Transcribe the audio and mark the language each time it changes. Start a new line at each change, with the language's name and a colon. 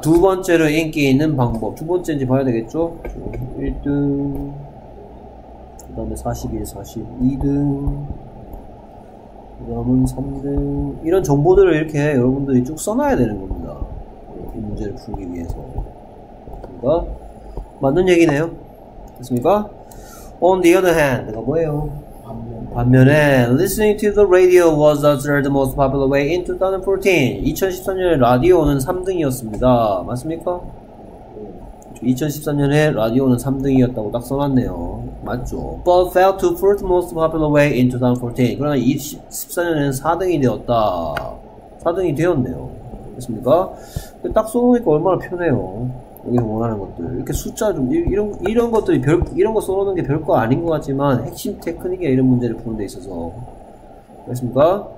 Korean: 두 번째로 인기 있는 방법. 두 번째인지 봐야 되겠죠? 1등, 그 다음에 41, 42등, 그 다음은 3등. 이런 정보들을 이렇게 여러분들이 쭉 써놔야 되는 겁니다. 이 문제를 풀기 위해서. 그러니까 맞는 얘기네요. 됐습니까?
English: On the other hand,
Korean: 내가 뭐예요? 반면에
English: listening to the radio was the third most popular way in 2014.
Korean: 2013년에 라디오는 3등이었습니다. 맞습니까? 2013년에 라디오는 3등이었다고 딱 써놨네요. 맞죠.
English: But fell to fourth most popular way in 2014.
Korean: 그러나 2014년에는 4등이 되었다. 4등이 되었네요. 맞습니까? 딱 써놓으니까 얼마나 편해요. 여기 원하는 것들 이렇게 숫자 좀 이런 것들이 별 이런 거 써놓는 게 별거 아닌 것 같지만 핵심 테크닉이 이런 문제를 푸는 데 있어서 맞습니까?